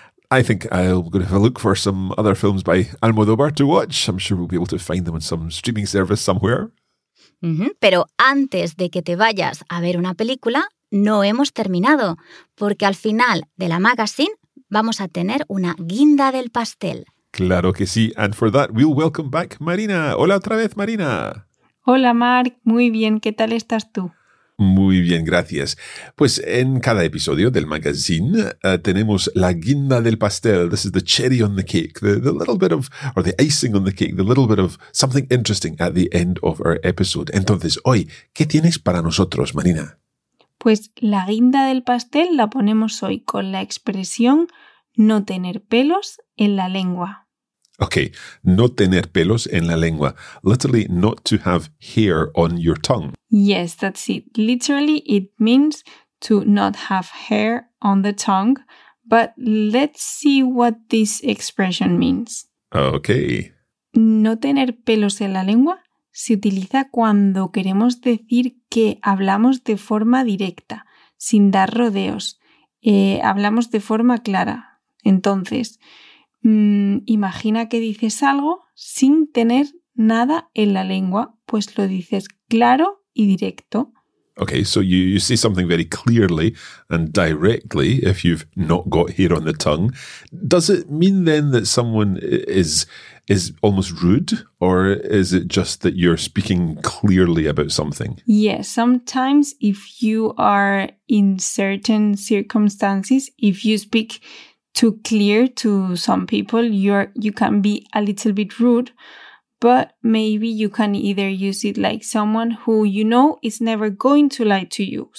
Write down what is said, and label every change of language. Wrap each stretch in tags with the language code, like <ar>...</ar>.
<en>I think I'm going to have a look for some other films by Almodóvar to watch. I'm sure we'll be able to find them on some streaming service somewhere.</en> <es>Pero antes de que te vayas a ver una película, no hemos terminado, porque al final de la magazine vamos a tener una guinda del pastel. Claro que sí.</es> <en>And for that, we'll welcome back Marina.</en> <es>Hola otra vez,</es> <en>Marina.</en> <es>Hola, Marc. Muy bien. ¿Qué tal estás tú? Muy bien, gracias. Pues en cada episodio del magazine tenemos la guinda del pastel.</es> <en>This is the cherry on the cake, the little bit of, or the icing on the cake, the little bit of something interesting at the end of our episode.</en> <es>Entonces, hoy, ¿qué tienes para nosotros, Marina? Pues la guinda del pastel la ponemos hoy con la expresión no tener pelos en la lengua. Okay, no tener pelos en la lengua.</es> <en>Literally, not to have hair on your tongue. Yes, that's it. Literally, it means to not have hair on the tongue. But let's see what this expression means. Okay.</en> <es>No tener pelos en la lengua se utiliza cuando queremos decir que hablamos de forma directa, sin dar rodeos. Hablamos de forma clara. Entonces, imagina que dices algo sin tener nada en la lengua, pues lo dices claro y directo.</es> <en>Okay, so you say something very clearly and directly if you've not got hair on the tongue. Does it mean then that someone is almost rude, or is it just that you're speaking clearly about something? Yes, sometimes if you are in certain circumstances, if you speak too clear to some people, you can be a little bit rude, but maybe you can either use it like someone who you know is never going to lie to you.</en>